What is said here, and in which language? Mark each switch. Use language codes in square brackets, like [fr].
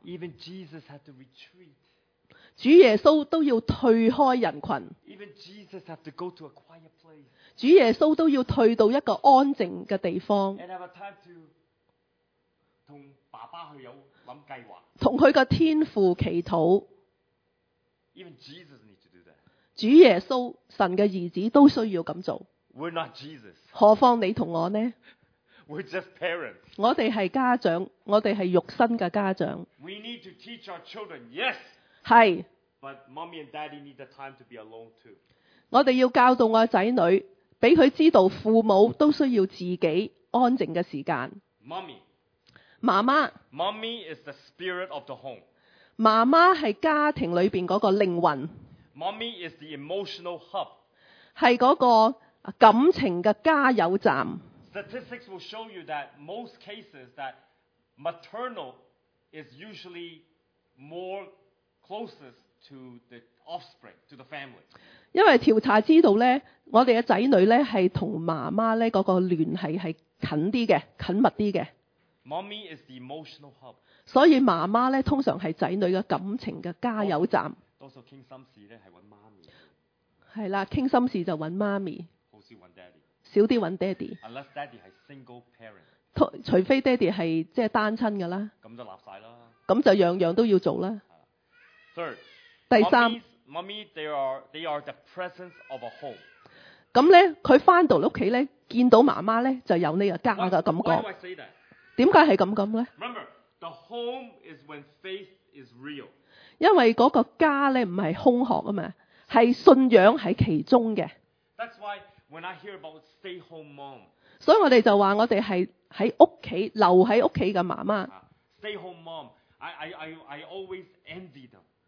[en] Even Jesus had to retreat. [yue] 主耶稣都要退开人群。 [en] Even Jesus had to go to a quiet place. [yue] 主耶稣都要退到一个安静嘅地方。 [en] And have a time to [yue] 同爸爸去有谂计划。同佢嘅天父祈祷。 [en] Even Jesus needs to do that. [yue] 主耶稣神嘅儿子都需要咁做。 [en] We're not Jesus. [yue] 何况你同我呢？ [en] We're just parents. [yue] 我哋系家长，我哋系肉身嘅家长。 [en] We need to teach our children, yes. [yue] 系。 [en] But mommy and daddy need the time to be alone too. [yue] 我哋要教导我仔女，俾佢知道父母都需要自己安静嘅时间。 [en] Mommy. [yue] 妈妈。 [en] Mommy is the spirit of the home. [yue] 媽媽係家庭裏邊嗰個靈魂。 [en] Mommy is the emotional hub。 [yue] 係嗰個感情嘅加油站。 [en] Statistics will show you that most cases that maternal is usually more closest to the offspring, to the family. [yue] 因為調查知道咧，我哋嘅仔女咧係同媽媽咧嗰個聯繫係近啲嘅，緊密啲嘅。 [en] Mommy is the emotional hub. [yue] 所以媽媽咧通常係仔女嘅感情嘅加油站。多數傾心事咧係揾媽咪。係啦，傾心事就揾媽咪。好少揾爹哋。少啲揾爹哋。 [en] Unless daddy 係 single parent。 [yue] 除非爹哋係即係單親㗎啦。咁就立曬啦。咁就樣樣都要做啦。 [en] Third。 [yue] 第三。 [en] Mommy, they are the presence of a home. [yue] 咁咧，佢翻到屋企咧，見到媽媽咧，就有呢個家嘅感覺。點解係咁咁咧 [en] ？Remember, the home is when faith is real. [yue] 因為嗰個家咧唔係空殼啊嘛，係信仰喺其中嘅。 [en] That's why when I hear about stay home mom. [yue] 所以我哋就話我哋係喺屋企留喺屋企嘅媽媽。 [en] Stay home mom, I always envy them.